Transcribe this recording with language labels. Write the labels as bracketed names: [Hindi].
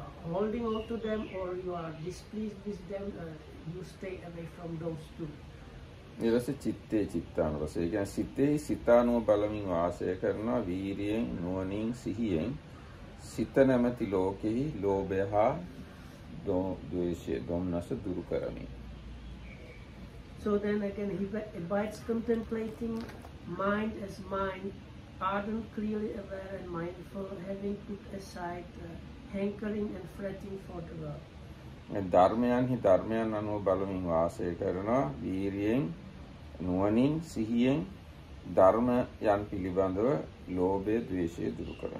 [English] holding on to them, or you are displeased with them, you stay away from those two. [Sinhala] ඊළඟට චිත්තේ චිත්තානුවස. ඒ කියන්නේ සිතේ සිතානුව බලමින් වාසය කරනවා වීරියෙන් නුවණින් සිහියෙන් සිත නැමැති ලෝකෙහි ලෝභය හා ද්වේෂය දොම්නස දුරු කරමි. [English] So then again he abides contemplating mind as mind, ardent, clearly aware and mindful, having put aside hankering and fretting for the world. [Sinhala] ඒ ධර්මයන්හි ධර්මයන් අනුව බලමින් වාසය කරනවා වීරියෙන් නුවණින් සිහියෙන් ධර්මයන් පිළිබඳව ලෝභය ද්වේෂය දුරු